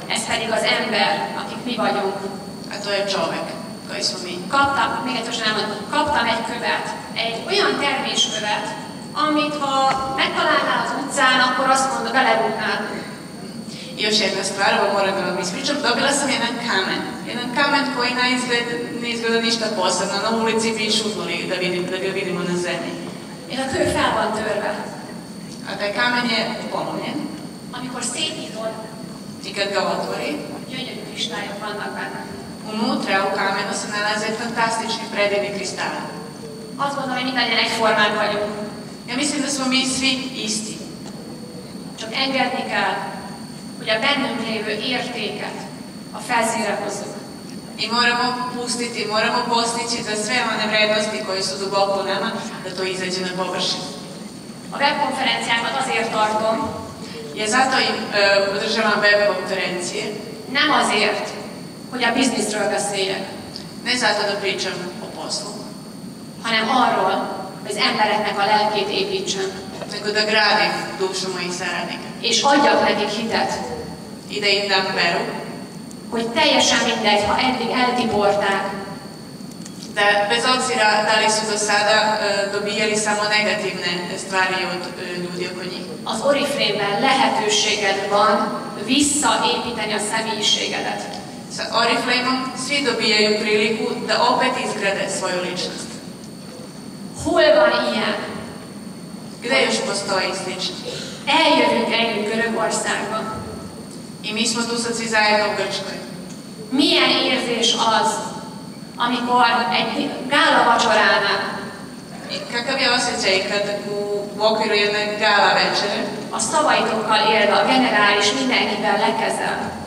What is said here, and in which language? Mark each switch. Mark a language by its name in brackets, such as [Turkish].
[Hungarian] Ez pedig az ember, akik mi vagyunk. [Serbian] A to je čovek koji smo mi. [Hungarian] Kaptam egy követ, egy olyan terméskövet, amit ha megtalálnál az utcán, akkor azt mondod, belerúgnál. [Serbian] još jedna stvar, ovo moram da vam ispričam, dobila sam jedan kamen. Jedan kamen koji naizgled ne izgleda ništa posebno, na ulici bi šutnuli da, vidim, da ga vidimo na zemlji. I na toj [Hungarian] fel van törve. [Serbian] A taj kamen je polomljen. [Hungarian] Amikor szétnyitod. [Serbian] I kad ga otvori. [Hungarian] Gyönyörű kristályok vannak benne. [Serbian] Unutra u kamenu se nalaze fantastični predivi kristala. [Hungarian] Azt gondolom, hogy mindannyian egyformán vagyunk. [Serbian] Ja mislim da smo mi svi isti. [Hungarian] Csak engedni kell, hogy a bennünk lévő értéket a felszínre hozzuk. [Serbian] I moramo pustiti, moramo postići za sve one vrednosti koje su duboko u nama, da to izađe na površinu. [Hungarian] A webkonferenciákat azért tartom. [Serbian] Ja zato im održavam webkonferencije. [Hungarian] Nem azért, hogy a biznisről beszéljek. [Serbian] Ne zato da pričam o poslu. [Hungarian] Hanem arról, hogy az embereknek a lelkét építsen. [Serbian] Nego da gradim dušu mojih saradnika. [Hungarian] És adjak nekik hitet. [Serbian] I da im dam veru. [Hungarian] Hogy teljesen mindegy, ha eddig eltiborták. [Serbian] De bez obzira da li su do sada dobijali samo negatívne stvari od ljudi oko njih. [Hungarian] Az Oriflame-ben lehetőséged van visszaépíteni a személyiségedet. [Serbian] Sa Oriflame-om svi dobijaju priliku da opet izgrade svoju ličnost. [Hungarian] Hol van ilyen? [Serbian] Gde još postoji slično? [Hungarian] Eljövünk együtt Görögországba. [Serbian] I mi smo tu sad svi zajedno u Grčkoj. [Hungarian] Milyen érzés az, amikor egy gála vacsoránál. [Serbian] Kakav je osjećaj kad u okviru jedne gála večere? [Hungarian] A szavaitokkal élve a generális mindenkivel lekezel.